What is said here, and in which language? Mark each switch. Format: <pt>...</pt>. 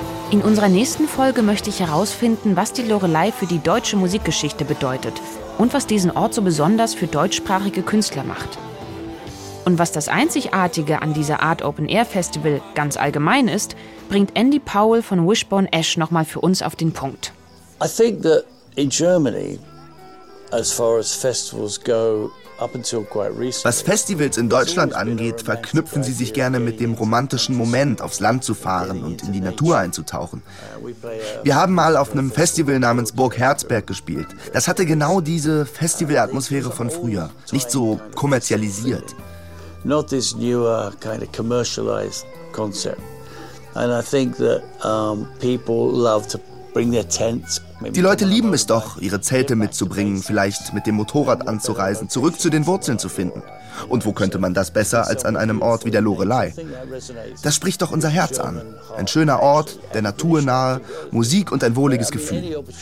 <de>In unserer nächsten Folge möchte ich herausfinden, was die Lorelei für die deutsche Musikgeschichte bedeutet und was diesen Ort so besonders für deutschsprachige Künstler macht. Und was das Einzigartige an dieser Art Open Air Festival ganz allgemein ist, bringt Andy Powell von Wishbone Ash nochmal für uns auf den Punkt.</de> <en>I think that in Germany, as far as festivals go, up until quite recently,</en> <de>was Festivals in Deutschland angeht, verknüpfen sie sich gerne mit dem romantischen Moment, aufs Land zu fahren und in die Natur einzutauchen. Wir haben mal auf einem Festival namens Burg Herzberg gespielt. Das hatte genau diese Festivalatmosphäre von früher, nicht so kommerzialisiert.</de> <en>Not this newer kind of commercialized concept. And I think that people love to bring their tents.</en> <de>Die Leute lieben es doch, ihre Zelte mitzubringen, vielleicht mit dem Motorrad anzureisen, zurück zu den Wurzeln zu finden. Und wo könnte man das besser als an einem Ort wie der Lorelei? Das spricht doch unser Herz an. Ein schöner Ort, der Natur nahe, Musik und ein wohliges Gefühl.</de>